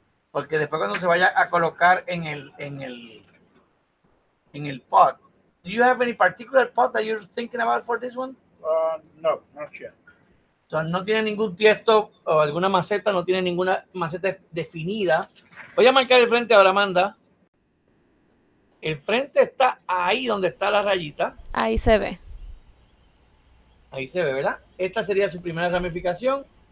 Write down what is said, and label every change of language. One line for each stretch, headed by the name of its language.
Spanish: Porque después cuando se vaya a colocar en el pot.
English: Do you have any particular pot that you're thinking about for this one? No, not yet.
Spanish: So, no tiene ningún tiesto o alguna maceta, no tiene ninguna maceta definida. Voy a marcar el frente ahora, Amanda. El frente está ahí donde está la rayita. Ahí se ve. Ahí se ve, ¿verdad? Esta sería su primera ramificación.